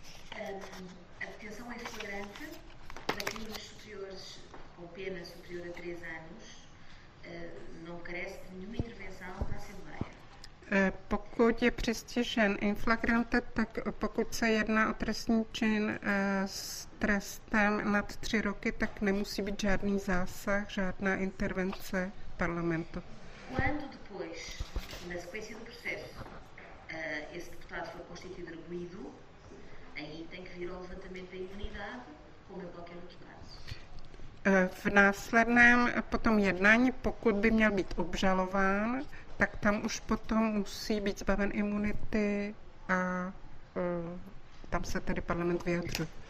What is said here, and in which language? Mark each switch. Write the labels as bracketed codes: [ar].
[pt] A detenção é flagrante para crimes superiores, com pena superior a 3 anos, não carece de nenhuma intervenção da Assembleia. [cs] Pokud je přistižen in flagrante, tak pokud se jedná o trestní čin s trestem nad 3 roky, tak nemusí být žádný zásah, žádná intervence parlamentu. [pt] Quando depois, na sequência do processo, esse deputado for constituído arguído, aí tem que vir ao levantamento da imunidade, como em qualquer outro caso. [cs] V následném potom jednání, pokud by měl být obžalován, tak tam už potom musí být zbaven imunity a tam se tedy parlament vyjadřuje.